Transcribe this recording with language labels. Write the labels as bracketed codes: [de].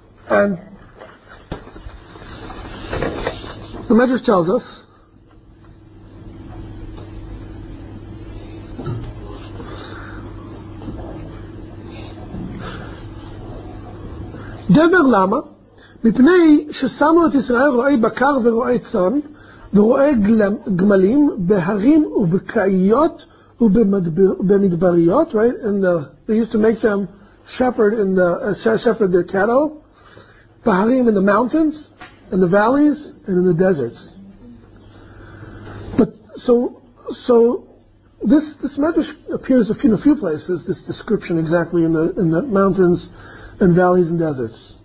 [en] And the Medrash tells us, [he] דבר למה? מפני ששמו את ישראל רואי בקר ורואי צאן ורואי גמלים בהרים ובקעיות ובמדבריות, [en] right? And they used to make them shepherd their cattle בהרים in the mountains in the valleys and in the deserts. But so this medrash appears in a few places, this description exactly in the mountains and valleys and deserts.